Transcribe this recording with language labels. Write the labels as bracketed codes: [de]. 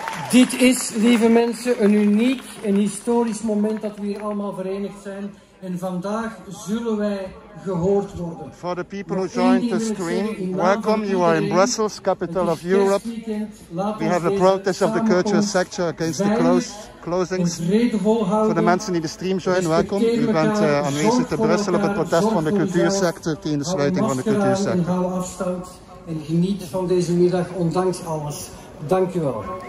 [nl] Dit is, lieve mensen, een uniek en historisch moment dat we hier allemaal verenigd zijn. En vandaag zullen wij gehoord worden. [en] For the people who joined the stream, welcome. You are in Brussels, capital of Europe. We have a protest of the cultural sector against the closings. For the [nl] mensen die de [en] stream join, welcome. [nl] U bent aanwezig te Brussel op het protest van de cultuursector tegen de sluiting van de cultuursector. Hou afstand en geniet van deze middag, ondanks alles. Dank u wel.